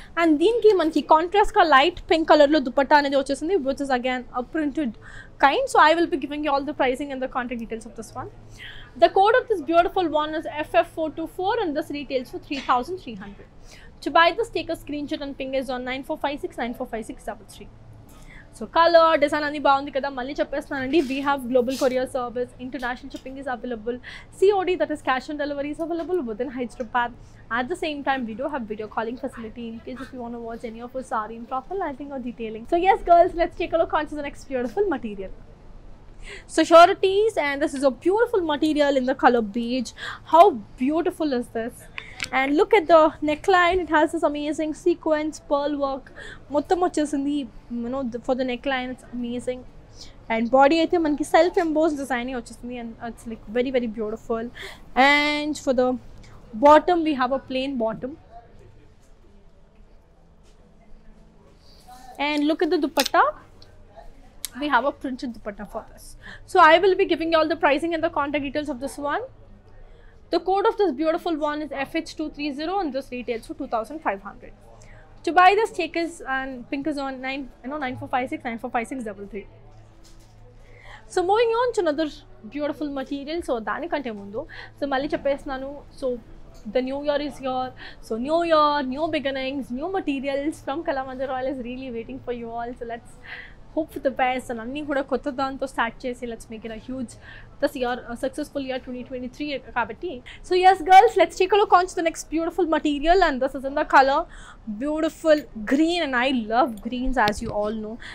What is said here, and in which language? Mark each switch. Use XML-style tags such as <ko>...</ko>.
<en>And</en> <te>deenki manki</te> <en>contrast ka light pink color lo dupatta</en> <te>anedi vachestundi,</te> <en>which is again a printed kind. So I will be giving you all the pricing and the contact details of this one. The code of this beautiful one is FF424 and this retails for 3,300. To buy this, take a screenshot and ping us on 9456-9456-33. So</en> <te>colour design అన్ని బాగుంది కదా, మళ్ళీ చెప్పేస్తానండి.</te> <en>We have global courier service, international shipping is available, COD that is cash on delivery is available within Hyderabad. At the same time we do have video calling facility in case if you want to watch any of your sari in profile and thing or detailing. So yes girls, let's take a look on to the next beautiful material. So షోరిటీస్, and this is a beautiful material in the colour beige. How beautiful is this? And look at the neckline, it has this amazing sequence pearl work.</en> <te>Mottam vachesindi,</te> <en>you know, for the neckline it's amazing. And body</en> <te>aithe manki</te> <en>self embossed design</en> <te>vachesindi</te> <en>and it's like very very beautiful. And for the bottom we have a plain bottom. And look at the dupatta, we have a printed dupatta for this. So I will be giving you all the pricing and the contact details of this one. The code of this beautiful one is FH230 and this retails for 2,500. To buy this, take us and ping us on 9456-9456-33. So moving on to another beautiful material. So</en> <te>దానికంటే ముందు so మళ్ళీ చెప్పేస్తున్నాను,</te> <en>So the new year is here. So new year, new beginnings, new materials from Kalamandir Royale is really waiting for you all. So let's hope for the best and</en> <te>anni kuda kotta danto start chesi</te> <en>let's make it a huge this year, a successful year 2023</en> <te>kabatti.</te> <en>So yes girls, let's take a look on to the next beautiful material, and this is in the color beautiful green, and I love greens as you all know.</en>